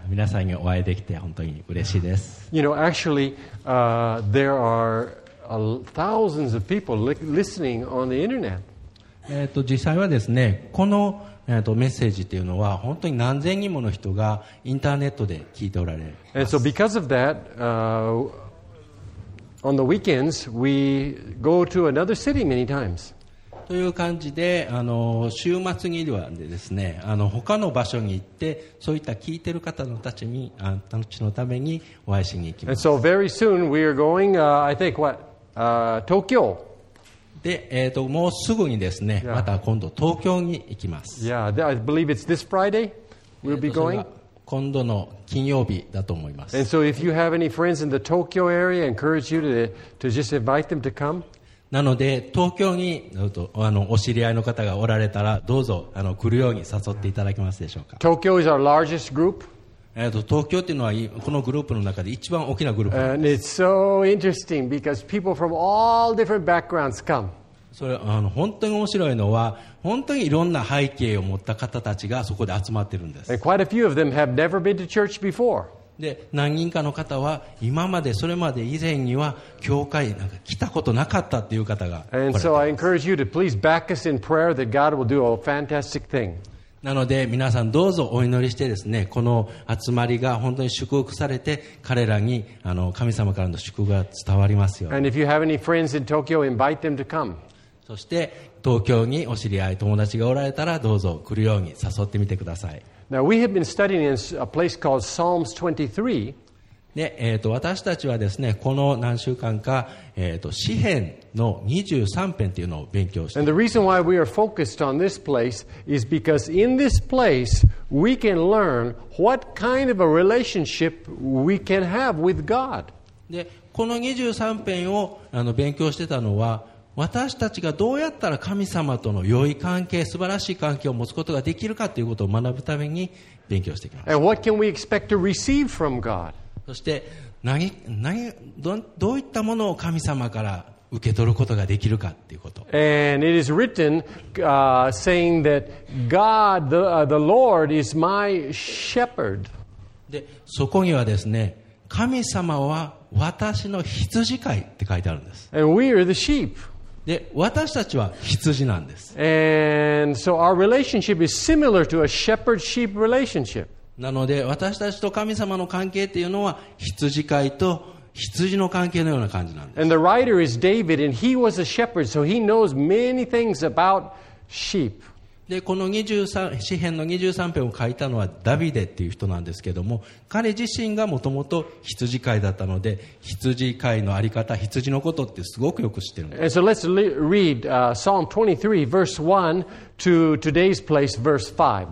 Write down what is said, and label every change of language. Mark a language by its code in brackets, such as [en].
[ja] 皆さんにお会いできて本当に嬉しいです。 [en] You know, actually, there are thousands of people listening on the internet. [ja] 実際はですね、このメッセージというのは本当に何千人もの人がインターネットで聞いておられます。 [en] And so because of that, on the weekends, we go to another city many times. [ja] という感じで週末にはですね他の場所に行ってそういった聞いてる方のたちにあんたちのためにお会いしに行きます。 [en] And so very soon we are going, I think what, Tokyo. [ja] で、もうすぐにですね、yeah. また今度東京に行きます。 [en] Yeah, I believe it's this Friday we'll be going. [ja] 今度の金曜日だと思います。 [en] And so if you have any friends in the Tokyo area, I encourage you to just invite them to come. [ja] なので東京にお知り合いの方がおられたらどうぞ来るように誘っていただけますでしょうか。 [en] 東京 is our largest group. [ja] 東京というのはこのグループの中で一番大きなグループです。 [en] And it's so interesting because people from all different backgrounds come. [ja] それ本当に面白いのは本当にいろんな背景を持った方たちがそこで集まっているんです。 [en] And quite a few of them have never been to church before. [ja] で何人かの方は今までそれまで以前には教会なんか来たことなかったっていう方が来られた。 [en] And so I encourage you to please back us in prayer that God will do a fantastic thing. [ja] なので皆さんどうぞお祈りしてですねこの集まりが本当に祝福されて彼らに神様からの祝福が伝わりますように。 [en] And if you have any friends in Tokyo, invite them to come. [ja] そして東京にお知り合い友達がおられたらどうぞ来るように誘ってみてください。 [en] Now we have been studying in a place called Psalms 23. [ja] で、私たちはですね、この何週間か、詩編の23編というのを勉強して。 [en] And the reason why we are focused on this place is because in this place we can learn what kind of a relationship we can have with God. [ja] で、この23編を勉強してたのは私たちがどうやったら神様との良い関係、素晴らしい関係を持つことができるかということを学ぶために勉強してきました。 [en] And what can we expect to receive from God? [ja] そして どういったものを神様から受け取ることができるかということ。 [en] And it is written, saying that God, the Lord, is my shepherd. [ja] で、そこにはですね、神様は私の羊飼いって書いてあるんです。 [en] And we are the sheep. [ja] で私たちは羊なんです。 [en] And so our relationship is similar to a shepherd-sheep relationship. [ja] なので私たちと神様の関係っていうのは羊飼いと羊の関係のような感じなんです。 [en] And the writer is David, and he was a shepherd, so he knows many things about sheep. [ja] でこの詩編の23編を書いたのはダビデっていう人なんですけども、彼自身がもともと羊飼いだったので羊飼いのあり方、羊のことってすごくよく知ってるんです。 [en] And so let's read Psalm 23 verse 1 to today's place verse 5.